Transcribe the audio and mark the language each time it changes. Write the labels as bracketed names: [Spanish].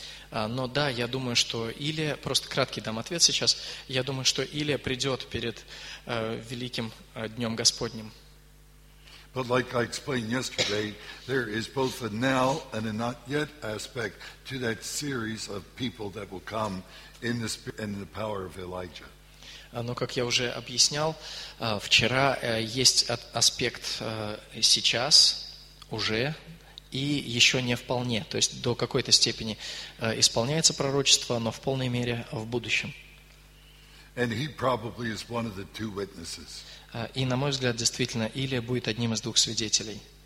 [Russian] Но да, я думаю, что Илия, просто краткий дам ответ сейчас, я думаю, что Илия придет перед великим днем Господним. [English] But like I explained yesterday, there is both a now and a not yet aspect to that series of people that will come in the spirit and in the power of Elijah. [Russian] Но, как я уже объяснял, вчера есть аспект сейчас, уже, и еще не вполне. То есть до какой-то степени исполняется пророчество, но в полной мере в будущем. [English] And he probably is one of the two witnesses. [Russian] И, на мой взгляд, действительно, Илия будет одним из двух свидетелей.